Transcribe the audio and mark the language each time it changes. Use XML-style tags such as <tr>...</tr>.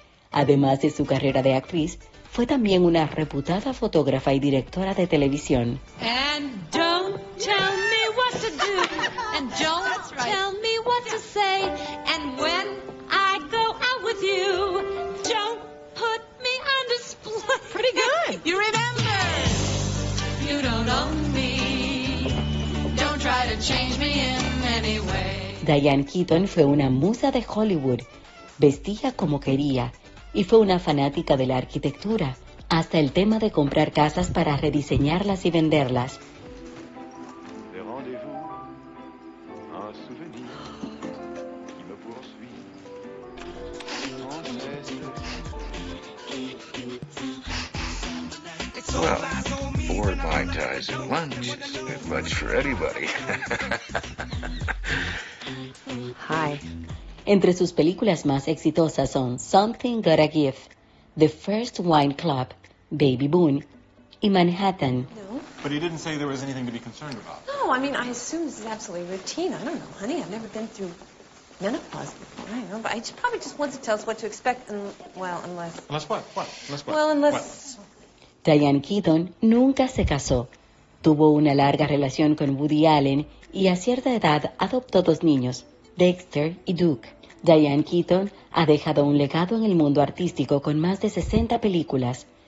<es>Además de su carrera de actriz, fue también una reputada fotógrafa y directora de televisión.</es> <en>And don't tell me what to do, and don't tell me what to say, and when I go out with you, don't put me on display. Pretty good. You remember? You don't own me. Don't try to change me in any way.</en> <es>Diane Keaton fue una musa de Hollywood, vestía como quería, y fue una fanática de la arquitectura, hasta el tema de comprar casas para rediseñarlas y venderlas.</es> <en>Well, 4 pie ties and lunch is a bit much for anybody. Hi.</en> <es>Entre sus películas más exitosas son Something Gotta Give, The First Wine Club, Baby Boone y Manhattan.</es> <en>No. But he didn't say there was anything to be concerned about. No, I mean, I assume this is absolutely routine. I don't know, honey. I've never been through menopause before. I don't know, but he probably just wants to tell us what to expect. And, well, unless... Unless what? What? Unless what? Well, unless... What?</en> <es>Diane Keaton nunca se casó. Tuvo una larga relación con Woody Allen y a cierta edad adoptó 2 niños. Dexter y Duke. Diane Keaton ha dejado un legado en el mundo artístico con más de 60 películas.</es>